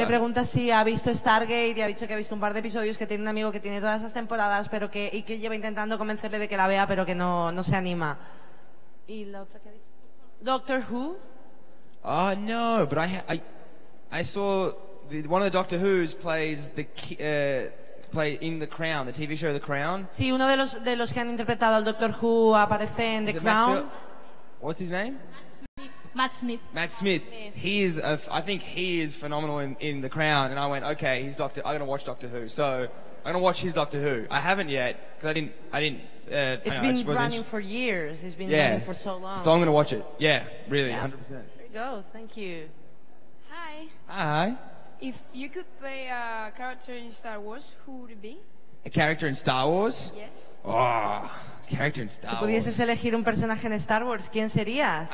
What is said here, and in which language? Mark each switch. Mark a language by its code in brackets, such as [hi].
[es] Le pregunta si ha visto Stargate y ha dicho que ha visto un par de episodios, que tiene un amigo que tiene todas esas temporadas, pero que y que lleva intentando convencerle de que la vea, pero que no se anima. ¿Y la otra que ha dicho? Doctor Who? [en] No, but I saw one of the Doctor Who's plays play in The Crown, the TV show The Crown. [es] Sí, uno de los que han interpretado al Doctor Who aparece en The Crown. [en] What's his name? Matt Smith. I think he is phenomenal in The Crown, and I went, okay, he's Doctor. I'm gonna watch Doctor Who. So I'm gonna watch his Doctor Who. I haven't yet because I didn't. It's been running for years. It's been running for so long. So I'm going to watch it. Yeah, really, yeah. 100%. There you go. Thank you. Hi. Hi. If you could play a character in Star Wars, who would it be? A character in Star Wars? Yes. Oh, character in Star Wars. [es] Si pudieses elegir un personaje en Star Wars, ¿quién serías?